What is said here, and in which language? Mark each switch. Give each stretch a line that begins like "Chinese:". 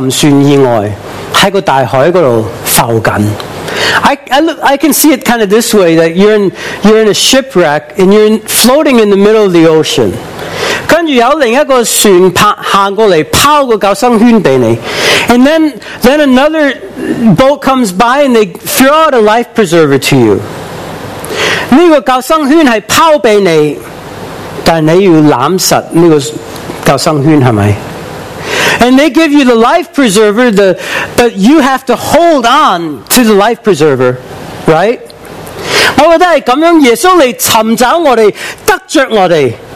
Cantonese: 可以这样讲,我觉得好像一个沉船意外,在大海那里浮紧。
English: I can see it kind of this way, that you're in a shipwreck and you're floating in the middle of the ocean.
Cantonese: 然后有另一个船走过来,抛个救生圈给你。
English: And then another boat comes by and they throw out a life preserver to you.
Cantonese: 这个救生圈是抛给你,但你要揽实这个救生圈,是不是?
English: And they give you the life preserver, but you have to hold on to the life preserver, right?
Cantonese: 我觉得是这样,耶稣来寻找我们,得着我们。